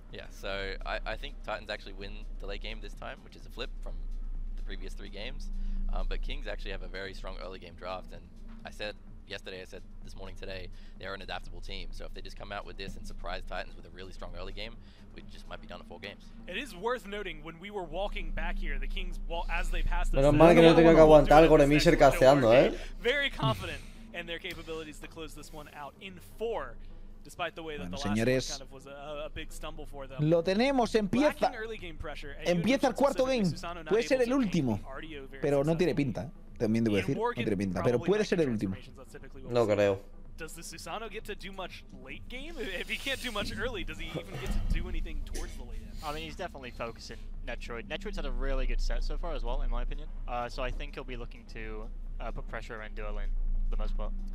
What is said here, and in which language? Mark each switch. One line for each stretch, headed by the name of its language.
English: Yeah, so I think Titans actually win the late game this time, which is a flip from the previous three games. But Kings actually have a very strong early game draft, and I said... Yesterday, I said this morning today, they're an adaptable team. So if they just come out with this and surprise Titans with a really strong early game, we just might be down to four games. It is worth noting, when we were walking back here, the Kings, well, as they passed
Spanish: us... Menos mal que no tengo que aguantar algo de Mischer casteando, ¿eh?
English: Very confident in their capabilities to close this one out in four, despite the way that
Spanish: bueno,
English: the
Spanish: señores,
English: last one kind of was a big stumble for them.
Spanish: Lo tenemos, empieza.
English: Early game pressure,
Spanish: empieza el cuarto game. Susano puede ser el último, pero no tiene pinta, ¿eh? También debo decir, no tiene pinta, pero puede ser el último. No creo.
English: Does the Susano get to do much late game? If he can't do much early, does he even get to do anything towards the late game? I mean, he's definitely focusing Netroid. Netroid's had a really good set so far as well, in my opinion. So I think he'll be looking to put pressure around duo lane for the most part.